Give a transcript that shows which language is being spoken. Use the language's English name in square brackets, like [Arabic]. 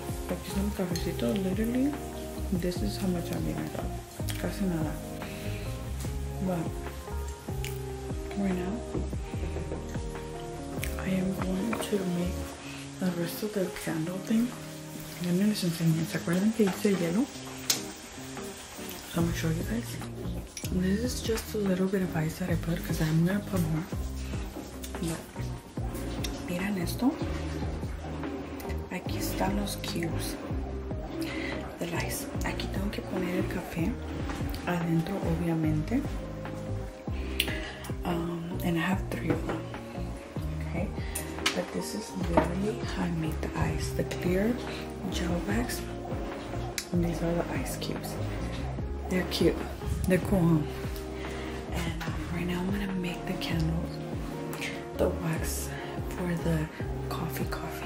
[Spanish] Aquí son cafecitos, [English] literally, this is how much I mean, I got. [Spanish] Casi nada. [English] But, right now, I am going to make the rest of the candle thing. [Spanish] Ya me les enseñé, ¿se acuerdan que hice hielo? [English] So I'm gonna show you guys. This is just a little bit of ice that I put because I'm gonna put more. Look. [Spanish] Miren esto. Aquí están los cubes del ice. Aquí tengo que poner el café adentro, obviamente. [English] And I have three of them. Okay. But this is literally how I make the ice. The clear gel bags. And these are the ice cubes. They're cute. They're cool, huh? And right now I'm gonna make the candles, the wax for the coffee.